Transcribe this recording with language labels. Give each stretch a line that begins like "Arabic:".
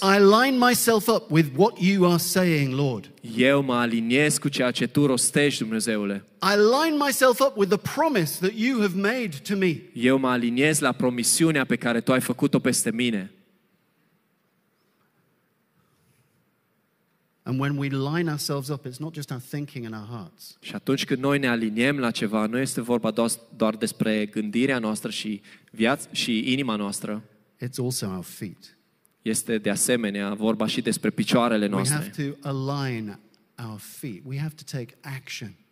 English: I line myself up with what you are saying, Lord.
Romanian: Eu mă aliniez cu ceea ce tu rostești, Dumnezeule.
English: I line myself up with the promise that you have made to me.
Romanian: Eu mă aliniez la promisiunea pe care tu ai făcut-o peste mine.
English: And when we line ourselves up, it's not just our thinking and our hearts.
Romanian: Și atunci când noi ne aliniem la ceva, nu este vorba doar despre gândirea noastră și viața și inima noastră.
English: It's also our feet.
Romanian: Este de asemenea vorba și despre picioarele noastre.
English: We have to align our feet. We have to take action.